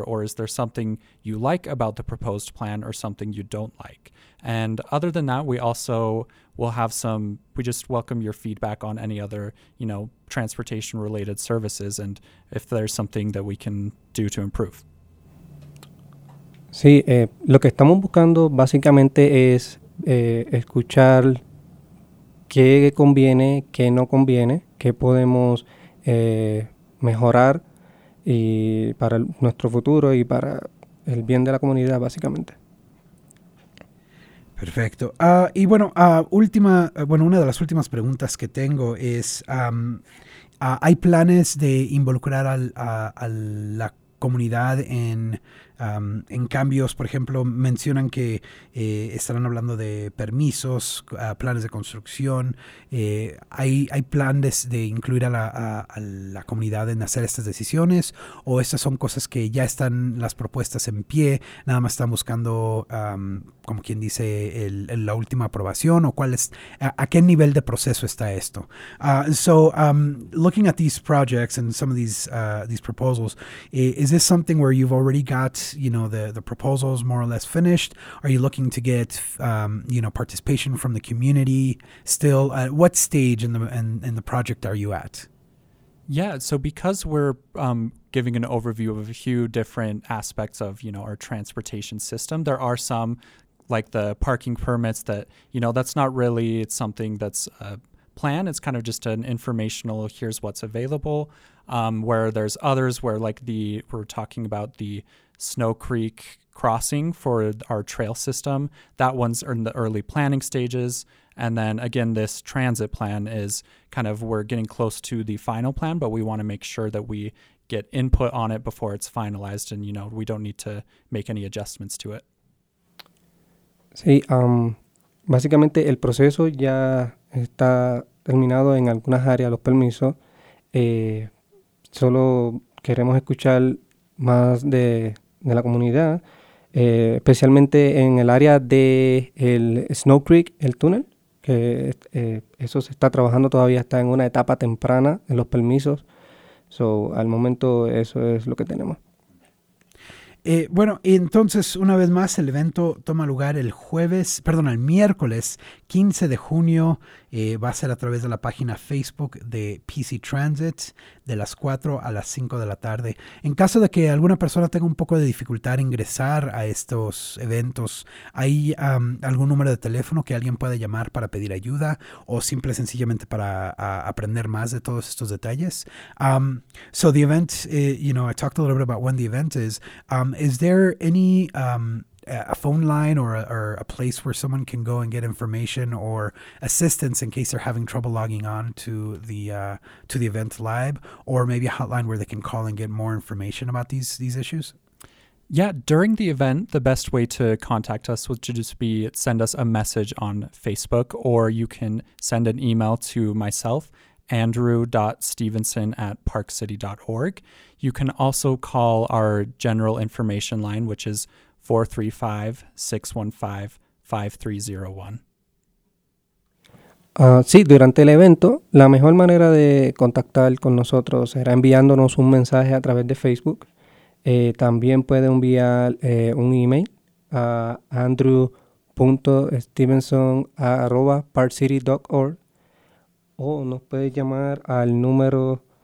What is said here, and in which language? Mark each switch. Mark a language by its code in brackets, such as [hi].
[en] Or is there something you like about the proposed plan or something you don't like? And other than that, we also will have some, we just welcome your feedback on any other, you know, transportation-related services and if there's something that we can do to improve. [es] Sí, lo que estamos buscando básicamente es escuchar qué conviene, qué no conviene, qué podemos mejorar y para nuestro futuro y para el bien de la comunidad, básicamente. Perfecto. Y bueno, una de las últimas preguntas que tengo es, ¿hay planes de involucrar a la comunidad en cambios? Por ejemplo, mencionan que estarán hablando de permisos, planes de construcción. ¿Hay planes de incluir a la comunidad en hacer estas decisiones? ¿O estas son cosas que ya están las propuestas en pie, nada más están buscando, como quien dice, la última aprobación? ¿O cuál es, a qué nivel de proceso está esto? [en] Looking at these projects and some of these proposals, is this something where you've already got, you know, the proposals more or less finished? Are you looking to get, you know, participation from the community still? At what stage in the project are you at? Yeah, so because we're giving an overview of a few different aspects of, you know, our transportation system, there are some, like the parking permits, that, you know, that's not really, it's something that's a plan. It's kind of just an informational, here's what's available. Where there's others where, like, we're talking about the Snow Creek crossing for our trail system. That one's in the early planning stages. And then again, this transit plan is kind of, we're getting close to the final plan, but we want to make sure that we get input on it before it's finalized. And, you know, we don't need to make any adjustments to it. [es] Sí, básicamente el proceso ya está terminado en algunas áreas, los permisos. Solo queremos escuchar más de la comunidad, especialmente en el área de el Snow Creek, el túnel, que eso se está trabajando todavía, está en una etapa temprana en los permisos. So, al momento eso es lo que tenemos. Bueno, entonces, una vez más, el evento toma lugar el miércoles 15 de junio. Va a ser a través de la página Facebook de PC Transit, de las 4 a las 5 de la tarde. En caso de que alguna persona tenga un poco de dificultad ingresar a estos eventos, ¿hay algún número de teléfono que alguien pueda llamar para pedir ayuda o simple sencillamente para aprender más de todos estos detalles? [en] So the event, you know, I talked a little bit about when the event is. Is there any a phone line or a place where someone can go and get information or assistance in case they're having trouble logging on to the event lab, or maybe a hotline where they can call and get more information about these issues? Yeah, during the event, the best way to contact us would just be send us a message on Facebook, or you can send an email to myself, andrew.stevenson@parkcity.org. You can also call our general information line, which is 435-615-5301. [es] Sí, durante el evento, la mejor manera de contactar con nosotros será enviándonos un mensaje a través de Facebook. También puede enviar un email a andrew.stevenson@parkcity.org o nos puede llamar al número